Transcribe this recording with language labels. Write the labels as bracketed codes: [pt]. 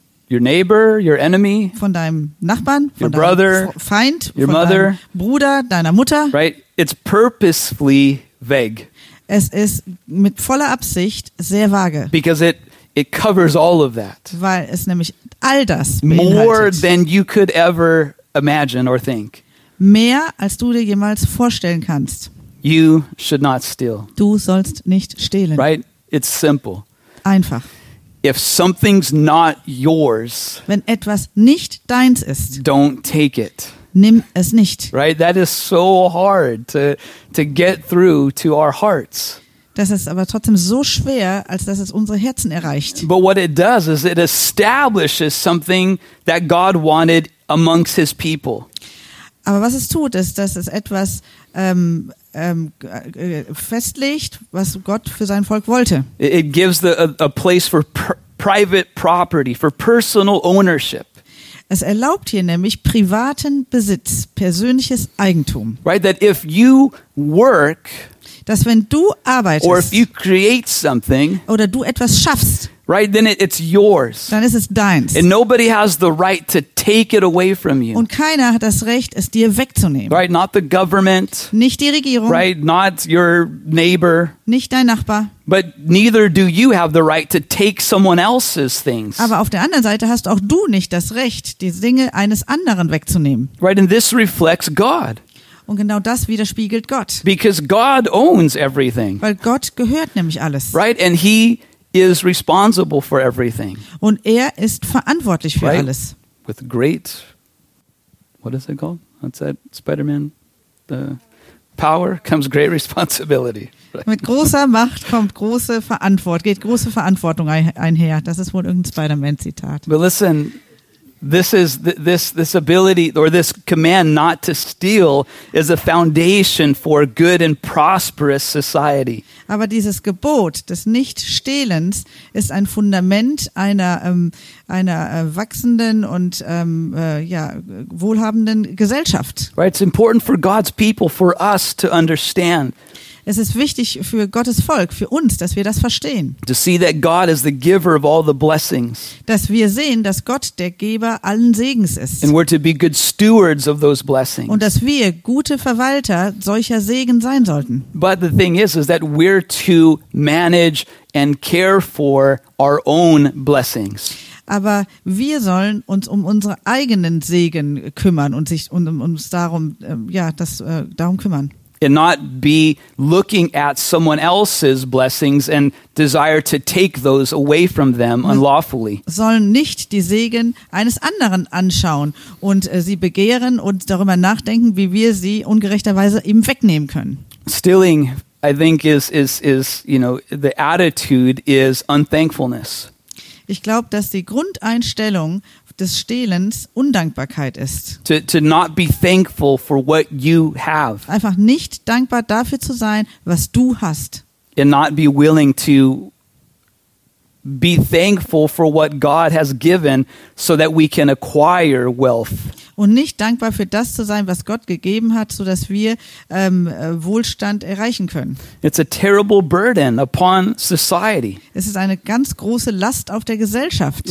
[en] Your neighbor, your enemy? [de] Von deinem Nachbarn, [en] your brother, [de] deinem Feind, [en] your [de] von [en] mother, [de] deinem Bruder, deiner Mutter? [en] Right? It's purposefully vague. [de] Es ist mit voller Absicht sehr vage. [en] Because it covers all of that. [de] Weil es nämlich all das beinhaltet. [en] More than you could ever imagine or think. [de] Mehr als du dir jemals vorstellen kannst. [en] You should not steal. [de] Du sollst nicht stehlen. [en] Right? It's simple. [de] Einfach. [en] If something's not yours, [de] wenn etwas nicht deins ist, [en] don't take it. [de] Nimm es nicht. [en] Right? That is so hard to get through to our hearts. [de] Das ist aber trotzdem so schwer, als dass es unsere Herzen erreicht. [en] But what it does is it establishes something that God wanted amongst his people. [de] Aber was es tut, ist, dass es etwas festlegt, was Gott für sein Volk wollte. [en] It gives a place for private property, for personal ownership. [de] Es erlaubt hier nämlich privaten Besitz, persönliches Eigentum. [en] Right, that if you work, [de] dass wenn du arbeitest, [en] or if you create something, [de] oder du etwas schaffst, [en] right, then it's yours. [de] Dann ist es deins. [en] And nobody has the right to take it away from you. [de] Und keiner hat das Recht, es dir wegzunehmen. [en] Right, not the government. [de] Nicht die Regierung. [en] Right, not your neighbor. [de] Nicht dein Nachbar. [en] But neither do you have the right to take someone else's things. [de] Aber auf der anderen Seite hast auch du nicht das Recht, die Dinge eines anderen wegzunehmen. [en] Right, and this reflects God. [de] Und genau das widerspiegelt Gott. [en] Because God owns everything. [de] Weil Gott gehört nämlich alles. [en] Right, and he is responsible for everything. [de] Und ist verantwortlich für [en] right? [de] alles. [en] With great, what is it called? What's that? Spider-Man? The power comes great responsibility. Right? [de] Mit großer Macht kommt große Verantwortung, geht große Verantwortung einher. Das ist wohl irgendein Spider-Man-Zitat. [en] But listen, This ability or this command not to steal is a foundation for good and prosperous society. [de] Aber dieses Gebot des Nichtstehlens ist ein Fundament einer wachsenden und wohlhabenden Gesellschaft. [en] Right, it's important for God's people, for us to understand. [de] Es ist wichtig für Gottes Volk, für uns, dass wir das verstehen. [en] To see that God is the giver of all the blessings. [de] Dass wir sehen, dass Gott der Geber allen Segens ist. [en] And we're to be good stewards of those blessings. [de] Und dass wir gute Verwalter solcher Segen sein sollten. [en] But the thing is that we're to manage and care for our own blessings. [de] Aber wir sollen uns um unsere eigenen Segen kümmern und sich uns darum kümmern. [en] And not be looking at someone else's blessings and desire to take those away from them unlawfully. [de] Sollen nicht die Segen eines anderen anschauen und sie begehren und darüber nachdenken, wie wir sie ungerechterweise ihm wegnehmen können. [en] Stealing, I think, is the attitude is unthankfulness. [de] Ich glaube, dass die Grundeinstellung des Stehlens Undankbarkeit ist. [en] To not be thankful for what you have. [de] Einfach nicht dankbar dafür zu sein, was du hast. [en] And not be willing to be thankful for what God has given so that we can acquire wealth. [de] Und nicht dankbar für das zu sein, was Gott gegeben hat, so dass wir Wohlstand erreichen können. [en] It's a terrible burden upon society. [de] Es ist eine ganz große Last auf der Gesellschaft.